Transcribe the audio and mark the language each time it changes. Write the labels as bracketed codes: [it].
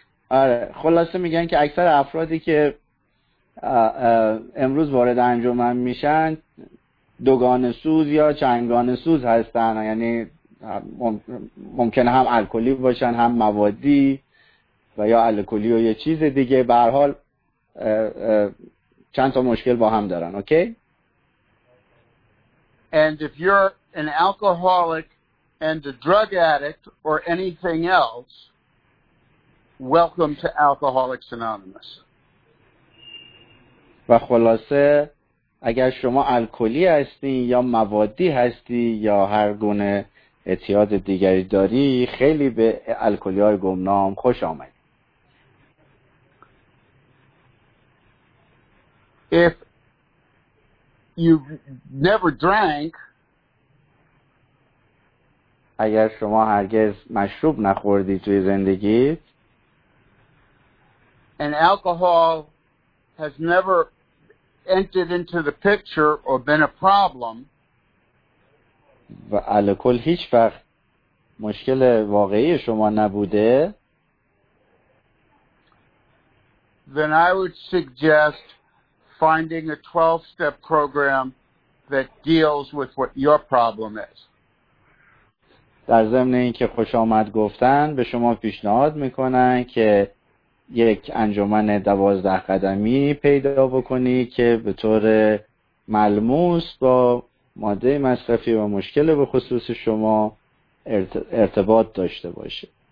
[fa] آره خلاصه میگن که اکثر افرادی که امروز وارد انجمن میشن دوگان سوز یا چنگان سوز هستن، یعنی ممکنه هم الکلی باشن هم موادی و یا الکلی و یه چیز دیگه، به هر حال چند تا مشکل با هم دارن. اوکی. [en] And if you're an alcoholic and a drug addict or anything else, welcome to Alcoholics Anonymous. [fa] و خلاصه اگر شما الکلی هستین یا موادی هستی یا هر گونه اعتیاد دیگری داری، خیلی به الکلی های گمنام خوش آمدید. [en] If you've never drank, [fa] اگر شما هرگز مشروب نخوردی توی زندگی [en] and alcohol has never entered into the picture or been a problem [fa] و الکل هیچ وقت مشکل واقعی شما نبوده [en] then I would suggest finding a 12 step program that deals with what your problem is. [fa] در ضمن این که خوش آمد گفتن به شما پیشنهاد میکنن که یک انجمن 12 قدمی پیدا بکنی که به طور ملموس با ماده مصرفی و مشکل به خصوص شما ارتباط داشته باشه.